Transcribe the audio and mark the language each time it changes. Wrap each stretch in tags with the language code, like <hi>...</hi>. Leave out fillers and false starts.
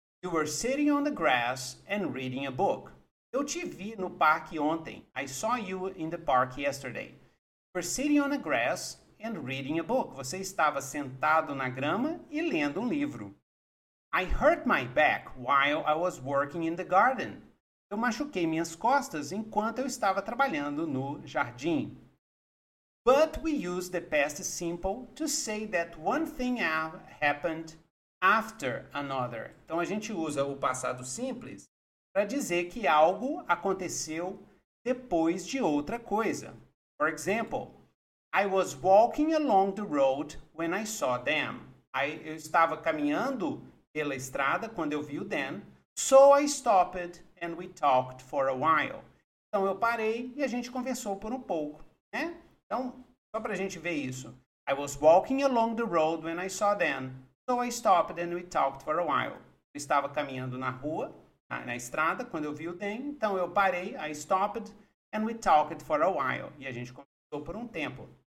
<en>You were sitting on the grass and reading a book.</en> <pt>Eu te vi no parque ontem.</pt> <en>I saw you in the park yesterday. You were sitting on the grass and reading a book.</en> <pt>Você estava sentado na grama e lendo um livro.</pt> <en>I hurt my back while I was working in the garden.</en> <pt>Eu machuquei minhas costas enquanto eu estava trabalhando no jardim.</pt> <en>But we use the past simple to say that one thing happened after another.</en> <pt>Então a gente usa o passado simples para dizer que algo aconteceu depois de outra coisa.</pt> <en>For example, I was walking along the road when I saw them.</en> <pt>Eu estava caminhando pela estrada quando eu vi o Dan.</pt> <en>So I stopped and we talked for a while.</en> <pt>Então eu parei e a gente conversou por um pouco, né? Então, só para a gente ver isso.</pt> <en>I was walking along the road when I saw Dan. So I stopped and we talked for a while.</en> <pt>Eu estava caminhando na rua, na estrada, quando eu vi o Dan. Então eu parei,</pt> <en>I stopped and we talked for a while.</en> <pt>E a gente conversou por um tempo.</pt>